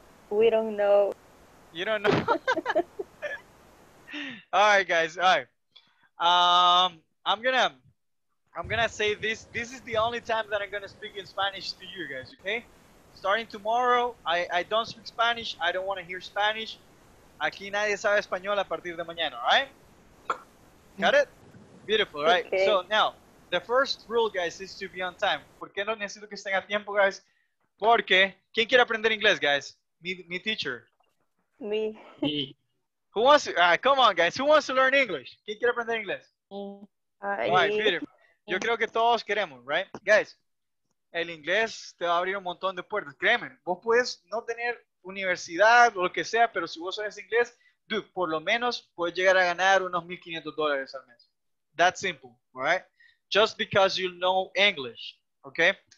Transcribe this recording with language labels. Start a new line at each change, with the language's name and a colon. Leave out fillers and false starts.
English: We don't know. You don't know? All right, guys. All right. I'm gonna say this. This is the only time that I'm going to speak in Spanish to you guys, okay? Starting tomorrow, I don't speak Spanish. I don't want to hear Spanish.
Spanish: Aquí nadie sabe español a partir de mañana,
English: all right? Got it? Beautiful, right? Okay. So now, the first rule, guys, is to be on time.
Spanish: ¿Por qué no necesito que estén a tiempo, guys? Porque, ¿quién quiere aprender inglés, guys?
English: Me teacher. Me. Who wants to, come on, guys. Who wants to learn English?
Spanish: ¿Quién quiere aprender inglés?
English: Me. Right, beautiful.
Spanish: Yo creo que todos queremos,
English: right?
Spanish: Guys, el inglés te va a abrir un montón de puertas. Créeme, vos puedes no tener universidad o lo que sea, pero si vos sabes inglés, dude, por lo menos puedes llegar a ganar unos $1,500 al mes.
English: That simple, all right? Just because you know English, okay?